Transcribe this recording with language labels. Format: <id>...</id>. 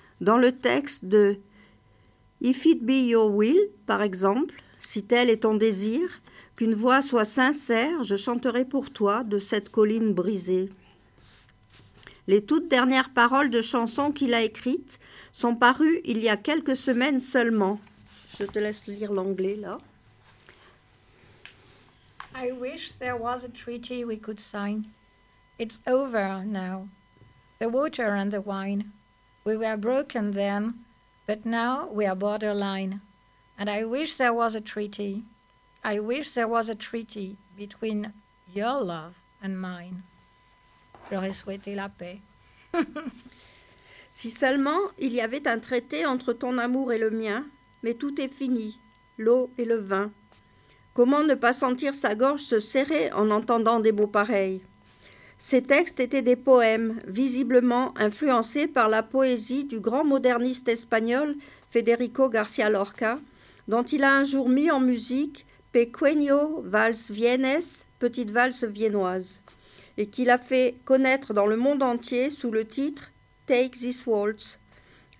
<fr>Dans le texte de « If it be your will », par exemple, « Si tel est ton désir, qu'une voix soit sincère, je chanterai pour toi de cette colline brisée. » Les toutes dernières paroles de chansons qu'il a écrites sont parues il y a quelques semaines seulement. Je te laisse lire l'anglais, là.</fr> <en>I wish there was a treaty we could sign. It's over now. The water and the wine. We were broken then, but now we are borderline. And I wish there was a treaty. I wish there was a treaty between your love and mine.</en> <fr>J'aurais souhaité la paix. Si seulement il y avait un traité entre ton amour et le mien, mais tout est fini, l'eau et le vin. Comment ne pas sentir sa gorge se serrer en entendant des mots pareils? Ces textes étaient des poèmes, visiblement influencés par la poésie du grand moderniste espagnol Federico García Lorca, dont il a un jour mis en musique « Pequeño vals viennes », petite valse viennoise, et qu'il a fait connaître dans le monde entier sous le titre « Take this waltz ».</fr>